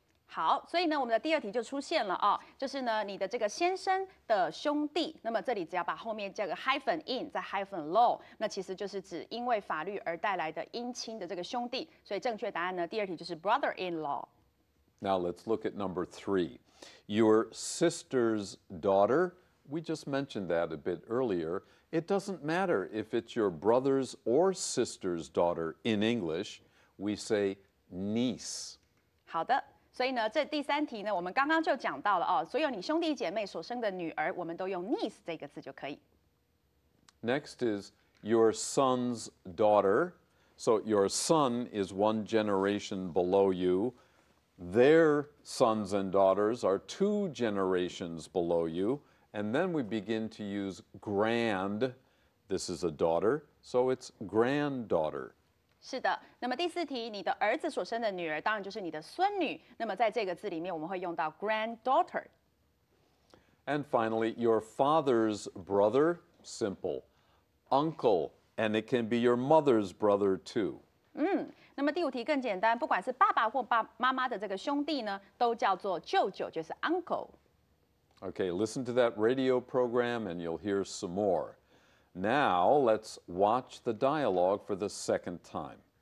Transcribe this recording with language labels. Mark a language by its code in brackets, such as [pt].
[zh] 好，所以呢，我们的第二题就出现了哦，就是呢，你的这个先生的兄弟，那么这里只要把后面加个 hyphen in 再 hyphen law， 那其实就是指因为法律而带来的姻亲的这个兄弟，所以正确答案呢，第二题就是 brother-in-law。 [en] Now let's look at number 3. Your sister's daughter. We just mentioned that a bit earlier. It doesn't matter if it's your brother's or sister's daughter. In English, we say niece. [zh] 好的。所以呢，这第三题呢，我们刚刚就讲到了哦，所有你兄弟姐妹所生的女儿，我们都用 niece 这个字就可以。 [en] Next is your son's daughter. So your son is one generation below you. Their sons and daughters are 2 generations below you. And then we begin to use grand. This is a daughter, so it's granddaughter. [zh] 是的，那么第四题，你的儿子所生的女儿当然就是你的孙女。那么在这个字里面，我们会用到 granddaughter。 [en] And finally, your father's brother, simple, uncle, and it can be your mother's brother too. [zh] 那么第5题更简单，不管是爸爸或妈妈的这个兄弟呢，都叫做舅舅，就是 uncle。 [en] Okay, listen to that radio program, and you'll hear some more. Now, let's watch the dialogue for the second time.